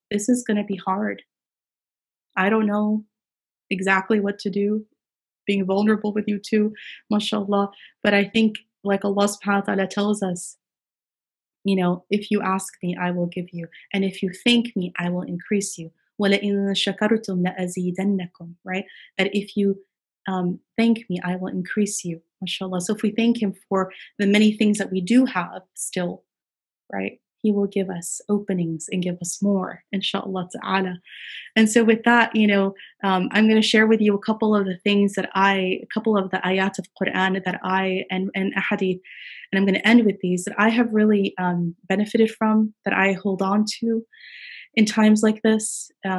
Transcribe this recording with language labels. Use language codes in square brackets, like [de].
[en] This is going to be hard. I don't know exactly what to do. Being vulnerable with you too, mashallah. But I think like Allah subhanahu wa ta'ala tells us, you know, if you ask me, I will give you. And if you thank me, I will increase you. [ar] وَلَئِن شَكَرْتُمْ لَأَزِيدَنَّكُمْ, right? [en] That if you thank me, I will increase you, mashallah. So if we thank him for the many things that we do have still, right? He will give us openings and give us more, inshallah ta'ala. And so with that, you know, I'm going to share with you a couple of the things that a couple of the ayat of Quran that I, and ahadith, and I'm going to end with these, that I have really benefited from, that I hold on to in times like this.